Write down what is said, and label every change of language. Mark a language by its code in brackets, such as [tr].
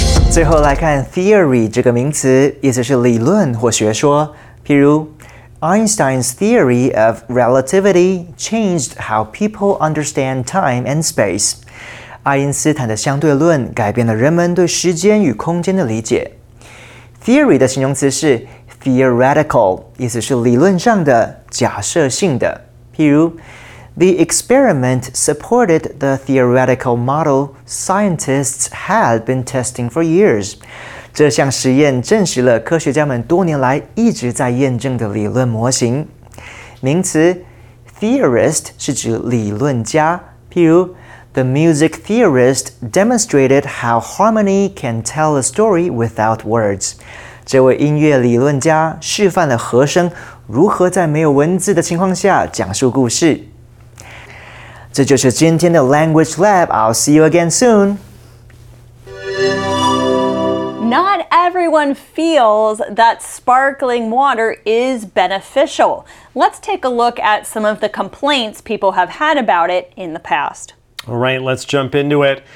[zh] 最后来看 theory 这个名词，意思是理论或学说。 [en] 譬如 Einstein's theory of relativity changed how people understand time and space. [zh] 爱因斯坦的相对论改变了人们对时间与空间的理解。 Theory 的形容词是 theoretical， 意思是理论上的、假设性的。 [en] 譬如 ，The experiment supported the theoretical model scientists had been testing for years。 [zh] 这项实验证实了科学家们多年来一直在验证的理论模型。名词 theorist 是指理论家。 [en] 譬如 ，The music theorist demonstrated how harmony can tell a story without words。 [zh] 这位音乐理论家示范了和声如何在没有文字的情况下讲述故事。这就是今天的 [en] Language Lab. I'll see you again soon. Not everyone feels that sparkling water is beneficial. Let's take a look at some of the complaints people have had about it in the past. All right, let's jump into it.